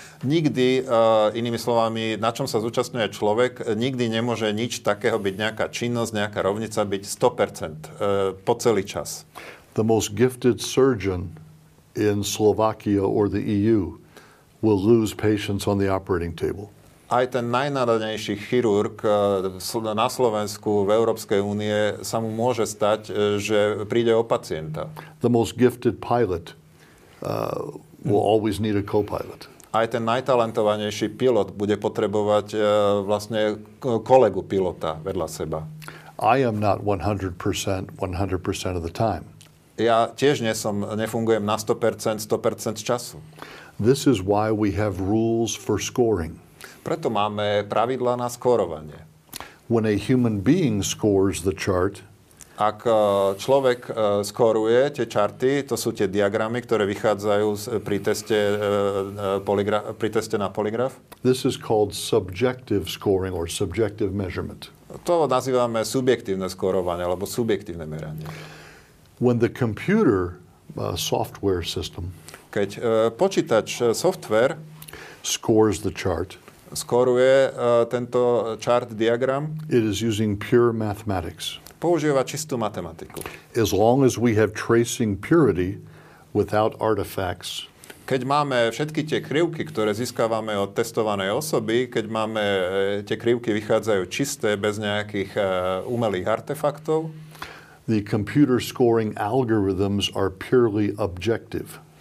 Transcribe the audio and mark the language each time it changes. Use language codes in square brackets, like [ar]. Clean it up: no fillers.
[sk] Nikdy, inými slovami, na čom sa zúčastňuje človek, nikdy nemôže nič takého byť, nejaká činnosť, nejaká rovnica, byť 100% po celý čas. [en] The most gifted surgeon in Slovakia or the EU will lose patients on the operating table. [sk] Aj ten najnadanejší chirurg na Slovensku, v Európskej únie, sa mu môže stať, že príde o pacienta. [en] The most gifted pilot will always need a co-pilot. [sk] Aj ten najtalentovanejší pilot bude potrebovať vlastne kolegu pilota vedľa seba. [en] I am not 100% 100% of the time. [sk] Ja tiež nefungujem na 100% 100% času. [en] This is why we have rules for scoring. [sk] Preto máme pravidlá na skórovanie. [en] When a human being scores the chart, [sk] ak človek skóruje tie čarty, to sú tie diagramy, ktoré vychádzajú pri teste na poligraf. [en] This is called subjective scoring or subjective measurement. [sk] To nazývame subjektívne skórovanie alebo subjektívne meranie. [en] When the computer software system, [sk] keď počítač software [en] scores the chart, [sk] skóruje tento chart diagram, [en] it is using pure mathematics. [sk] Používa čistú matematiku. [en] As long as we have tracing purity without artifacts. [sk] Keď máme všetky tie krivky, ktoré získavame od testovanej osoby, keď máme tie krivky vychádzajú čisté bez nejakých umelých artefaktov. [en] The computer scoring algorithms are purely objective.